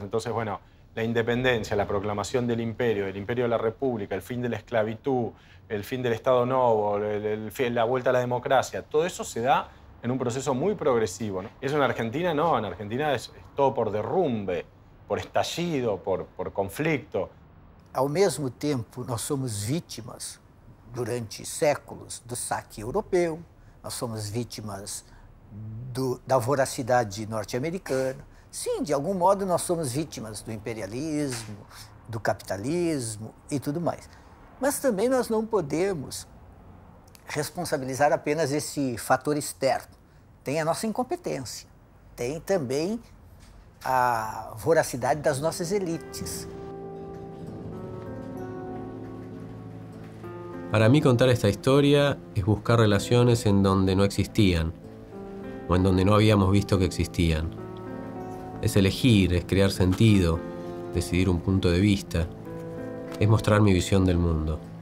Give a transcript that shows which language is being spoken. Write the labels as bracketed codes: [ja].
[es] Entonces, bueno, la independencia, la proclamación del imperio de la república, el fin de la esclavitud, el fin del Estado Novo, la vuelta a la democracia, todo eso se da en un proceso muy progresivo, ¿no? Eso en Argentina no, en Argentina es todo por derrumbe, por estallido, por conflicto. Al mismo tiempo, [pt] nós somos vítimas durante séculos do saque europeu, nós somos vítimas da voracidade norte-americana. Sim, de algum modo, nós somos vítimas do imperialismo, do capitalismo e tudo mais. Mas também nós não podemos responsabilizar apenas esse fator externo. Tem a nossa incompetência, tem também a voracidade das nossas elites. [es] Para mí contar esta historia es buscar relaciones en donde no existían o en donde no habíamos visto que existían. Es elegir, es crear sentido, decidir un punto de vista, es mostrar mi visión del mundo.